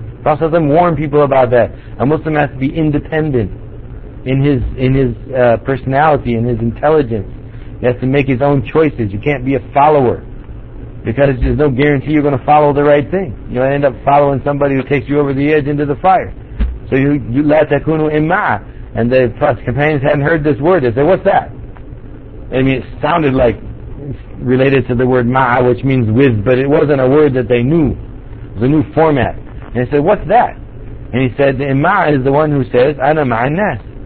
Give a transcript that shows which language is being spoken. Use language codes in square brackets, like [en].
[en] Prophet ﷺ warned people about that. A Muslim has to be independent in his personality, in his intelligence. He has to make his own choices. You can't be a follower, because there's no guarantee you're going to follow the right thing. You'll end up following somebody who takes you over the edge into the fire. So you [ar] لا تكونوا إماء. [en] And the companions hadn't heard this word. They said, "What's that?" I mean, it sounded like related to the word ma'a, which means with, but it wasn't a word that they knew. The new format. And he said, "What's that?" And he said, "The imam is the one who says, [ar] ana ma'an nas."